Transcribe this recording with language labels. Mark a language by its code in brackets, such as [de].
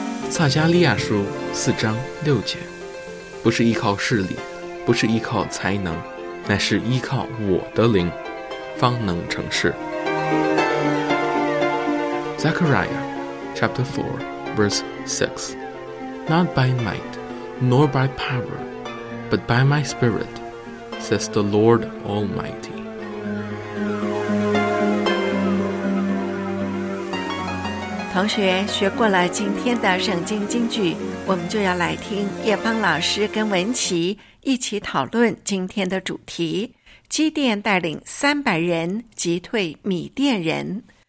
[zh] 撒迦利亚书四章六节，不是依靠势力，不是依靠才能，乃是依靠我的灵，方能成事。 [en] Zechariah chapter 4 verse 6, Not by might nor by power, but by my spirit, says the Lord Almighty. [zh] 同学学过了今天的圣经金句，我们就要来听叶芳老师跟文琪一起讨论今天的主题：基甸带领300人击退米甸人。